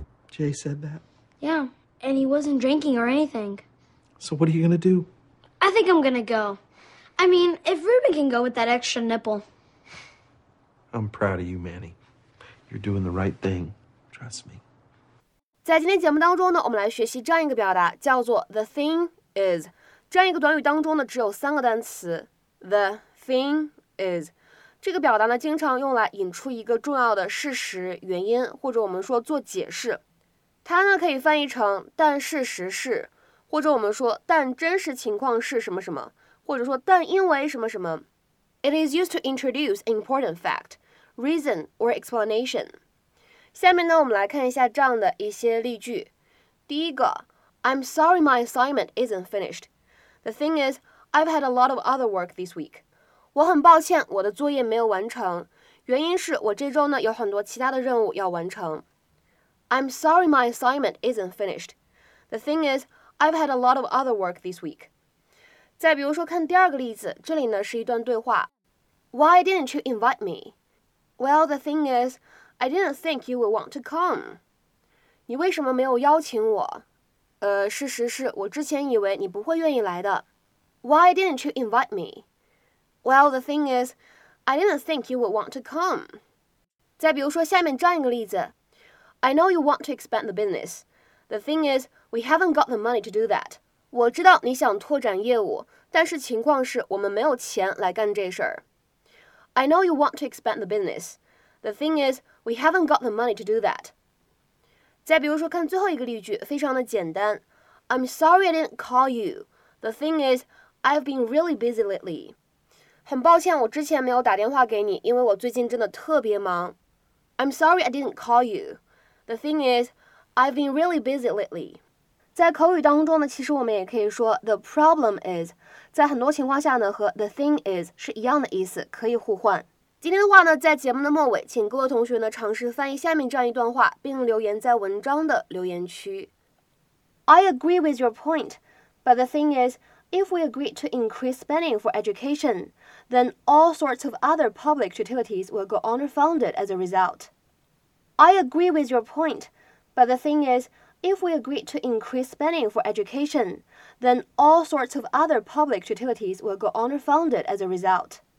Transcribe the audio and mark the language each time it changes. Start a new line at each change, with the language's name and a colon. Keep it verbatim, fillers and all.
English: Jay said that? Yeah, and he wasn't drinking or anything. So what are you going to do? I think I'm going to go. I mean, if Ruben can go with that extra nipple. I'm proud of you, Manny. You're doing the right thing. Trust me.
Chinese: 在今天节目当中呢，我们来学习这样一个表达，叫做
English: the thing is。
Chinese: 这样一个短语当中呢，只有三个单词
English: the thing is。
Chinese: 这个表达呢，经常用来引出一个重要的事实、原因，或者我们说做解释。它呢可以翻译成但事实是，或者我们说但真实情况是什么什么。或者说但因为什么什么。
English: It is used to introduce an important fact, reason or explanation.
Chinese: 下面呢我们来看一下这样的一些例句。第一个
English: I'm sorry my assignment isn't finished. The thing is, I've had a lot of other work this week.
Chinese: 我很抱歉，我的作业没有完成，原因是我这周呢有很多其他的任务要完成。
English: I'm sorry my assignment isn't finished. The thing is, I've had a lot of other work this week.
Chinese: 再比如说看第二个例子，这里呢是一段对话。
English: Why didn't you invite me? Well, the thing is, I didn't think you would want to come.
Chinese: 你为什么没有邀请我？呃，事实是我之前以为你不会愿意来的。
English: Why didn't you invite me? Well, the thing is, I didn't think you would want to come.
Chinese: 再比如说下面这样一个例子
English: I know you want to expand the business. The thing is, we haven't got the money to do that.
Chinese: 我知道你想拓展业务，但是情况是我们没有钱来干这事儿。
English: I know you want to expand the business. The thing is, we haven't got the money to do that.
Chinese: 再比如说看最后一个例句，非常的简单
English: I'm sorry I didn't call you. The thing is, I've been really busy lately.
Chinese: 很抱歉，我之前没有打电话给你，因为我最近真的特别忙。
English: I'm sorry I didn't call you. The thing is, I've been really busy lately.
Chinese: 在口语当中呢，其实我们也可以说
English: the problem is，
Chinese: 在很多情况下呢，和
English: the thing is
Chinese: 是一样的意思，可以互换。今天的话呢，在节目的末尾，请各位同学呢尝试翻译下面这样一段话，并留言在文章的留言区。
English: I agree with your point, but the thing is. If we agree to increase spending for education, then all sorts of other public utilities will go underfunded as a result. I agree with your point, but the thing is, if we agree to increase spending for education, then all sorts of other public utilities will go underfunded as a result.